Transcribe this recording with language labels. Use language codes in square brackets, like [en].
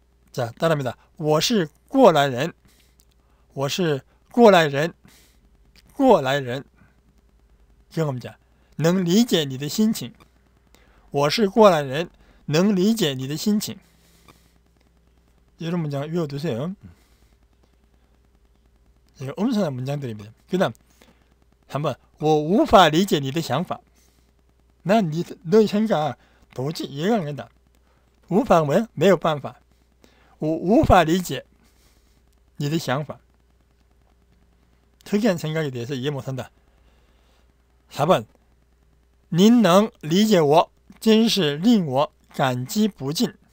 [ko] 자, 따라합니다. [zh] 我是过来人.我是过来人.过来人.경험자. 能理解你的心情.我是过来人. 能理解你的心情. [ko] 이런 문장 외워두세요. 이거 엄청난 문장들입니다. 그다음 한번 [zh] 我无法理解你的想法. [ko] 난 너의 생각 도저히 이해가 안 된다. [zh] 无法 [ko] 뭐야? [zh] 没有办法.我无法理解你的想法. [ko] 특이한 생각에 대해서 이해 못한다. [zh] 4번 您能理解我真是令我感激不尽.